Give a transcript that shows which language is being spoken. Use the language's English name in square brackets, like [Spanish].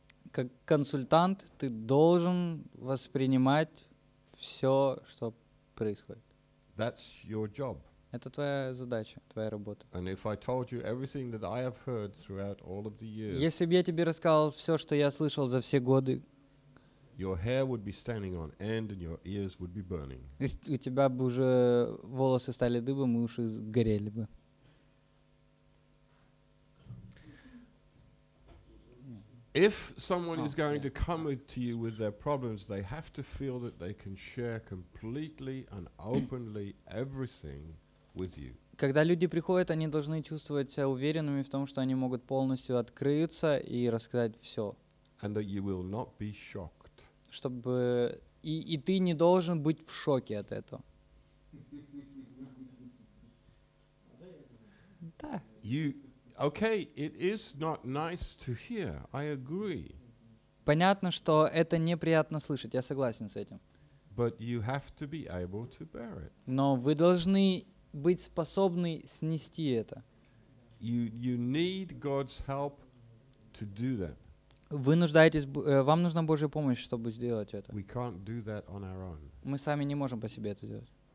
[Russian] Как консультант, ты должен воспринимать все, что происходит. [English] That's your job. [Russian] Это твоя задача, твоя работа. [English] And if I told you everything that I have heard throughout all of the years, [Russian] если бы я тебе рассказал все, что я слышал за все годы, [English] your hair would be standing on end and your ears would be burning. [Russian] У тебя бы уже волосы стали дыбом и уши горели бы. [English] If someone is going to come to you with their problems, they have to feel that they can share completely and openly everything with you. [Russian] Когда люди приходят, они должны чувствовать себя уверенными в том, что они могут полностью открыться и рассказать все. [English] And that you will not be shocked. [Russian] Чтобы и ты не должен быть в шоке от этого. Да. [English] You, okay, it is not nice to hear. I agree. [Russian] Понятно, что это неприятно слышать. Я согласен с этим. [English] But you have to be able to bear it. [Russian] Но вы должны быть способны снести это. [English] You need God's help to do that. [Russian] Вы нуждаетесь, вам нужна Божья помощь, чтобы сделать это. [English] We can't do that on our own. [Russian] Мы сами не можем по себе это сделать.